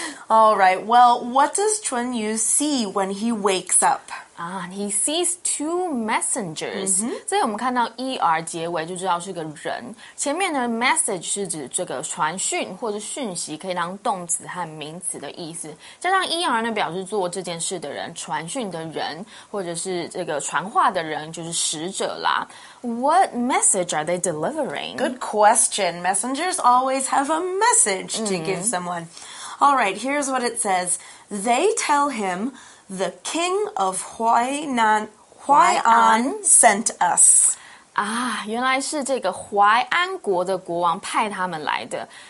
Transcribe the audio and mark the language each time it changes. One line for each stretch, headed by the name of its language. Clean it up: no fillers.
English: All right, well, what does Chun Yu see when he wakes up? He sees two messengers.
Chinese: 所以我们看到 ER 结尾就知道是个人。前面的 message 是指这个传讯或者讯息，可以当动词和名词的意思。加上 ER 呢表示做这件事的人，传讯的人，或者是这个传话的人，就是使者啦。
English: What message are they delivering? Good question. Messengers always have a message to give someone. All right, here's what it says. They tell him, the king of Huai'an sent us.
Chinese: 原来是这个淮安国的国王派他们来的。